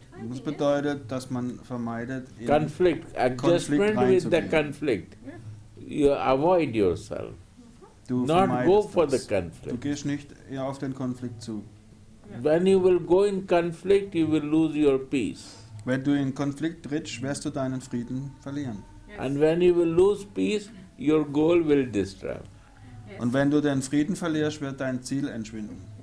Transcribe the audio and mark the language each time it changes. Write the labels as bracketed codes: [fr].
[de] Das bedeutet, dass man vermeidet, in Konflikt [en] Adjustment with the conflict. Yeah. You avoid yourself. [de] Du [en] not go for [de] das. [en] The conflict. [de] Du gehst nicht auf den Konflikt zu. [en] Yeah. When you will go in conflict, you will lose your peace. [de] Wenn du in Konflikt trittst, wirst du deinen Frieden verlieren. [en] Yes. And when you will lose peace, your goal will disturb. Yes. [de] Und wenn du den Frieden verlierst, wird dein Ziel entschwinden.